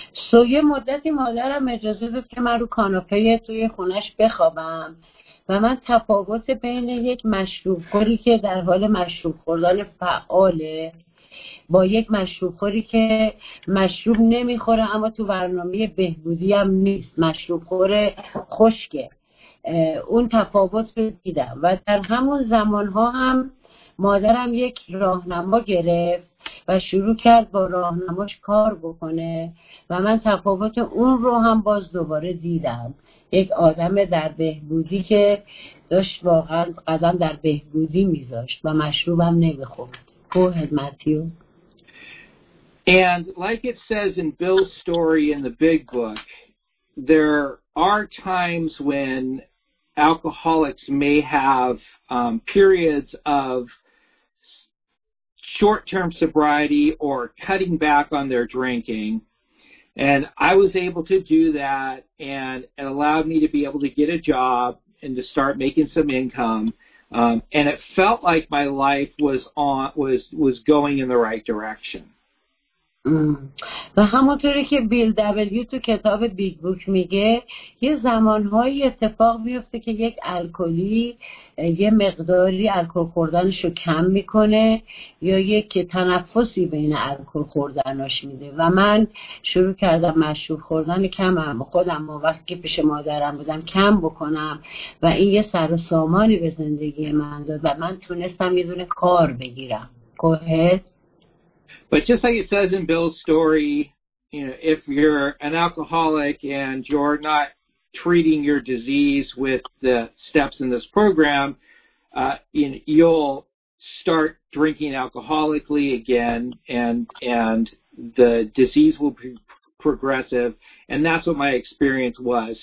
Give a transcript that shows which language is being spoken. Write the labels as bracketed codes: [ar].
[fa] سو یه مدتی مادرم اجازه داد که من رو کاناپه توی خونش بخوابم و من تفاوت بین یک مشروب خوری که در حال مشروب خوردن فعاله با یک مشروب خوری که مشروب نمیخوره اما تو برنامه بهبودی هم نیست، مشروب خور خشکه، اون تفاوت رو دیدم. و در همون زمان ها هم مادرم یک راهنما گرفت و شروع کرد با راهنماش کار بکنه و من تفاوت اون رو هم باز دوباره دیدم. یک آدم در بهبودی که داشت واقعا قدم در بهبودی میذاشت و مشروبم نمیخورد. [en] گوهد ماتیو. And like it says in Bill's story in the big book, there are times when alcoholics may have periods of short-term sobriety or cutting back on their drinking. And I was able to do that, and it allowed me to be able to get a job and to start making some income. And it felt like my life was going in the right direction. [fa] و همونطوری که بیل دبلیو تو کتاب بیگ بوک میگه، یه زمانهایی اتفاق میفته که یک الکلی یه مقداری الکل خوردنش رو کم میکنه یا یک تنفسی بین الکل خوردنش میده و من شروع کردم مشروب خوردن کمم خودم وقتی که پیش مادرم بودم کم بکنم و این یه سر و سامانی به زندگی من داد و من تونستم یه دونه کار بگیرم. [en] کوهت. But just like it says in Bill's story, you know, if you're an alcoholic and you're not treating your disease with the steps in this program, you'll start drinking alcoholically again, and the disease will be progressive, and that's what my experience was.